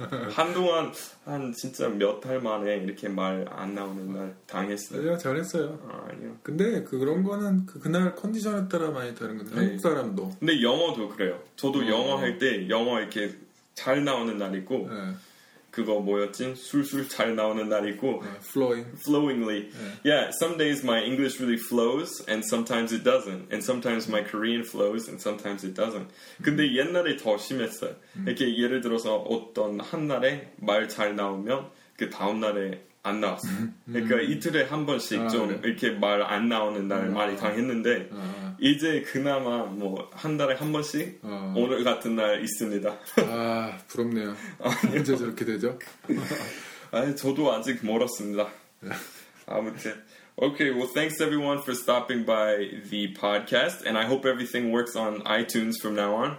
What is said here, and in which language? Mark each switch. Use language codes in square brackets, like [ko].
[ko] 한동안 한 진짜 몇 달 만에 이렇게 말 안 나오는 날 당했어요. 아니요, 잘했어요. 아, 아니요. 근데 그런 거는 그날 컨디션에 따라 많이 다른 건데 네. 한국 사람도. 근데 영어도 그래요. 저도 영어 할 때 영어 이렇게 잘 나오는 날 있고. 네. 그거 뭐였지? 술술 잘 나오는 날 있고 [en] flowingly. Yeah, some days my English really flows and sometimes it doesn't. And sometimes my Korean flows and sometimes it doesn't. [ko] 근데 옛날에 더 심했어요. 이렇게 예를 들어서 어떤 한 날에 말 잘 나오면 그 다음 날에 안 나왔어. 그러니까 이틀에 한 번씩 좀 이렇게 말 안 나오는 날 많이 당했는데 이제 그나마 뭐 한 달에 한 번씩 오늘 같은 날 있습니다. 아 부럽네요. 언제 저렇게 되죠? 아 저도 아직 멀었습니다. [en] 아무튼 Okay, well, thanks everyone for stopping by the podcast, and I hope everything works on iTunes from now on.